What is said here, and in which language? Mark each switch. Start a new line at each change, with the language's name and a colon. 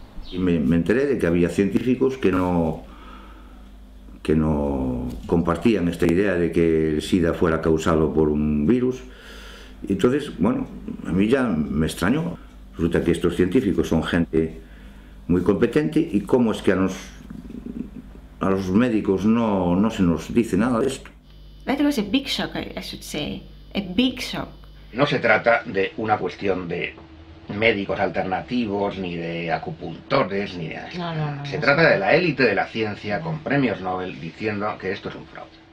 Spanish: Y me enteré de que había científicos que no compartían esta idea de que el SIDA fuera causado por un virus. Entonces, bueno, a mí ya me extrañó. Resulta que estos científicos son gente muy competente y cómo es que a los médicos no se nos dice nada de esto.
English: That was a big shock, I should say. A big shock.
Spanish: No se trata de una cuestión de médicos alternativos, ni de acupuntores, ni de... No, se trata de la élite de la ciencia con premios Nobel diciendo que esto es un fraude.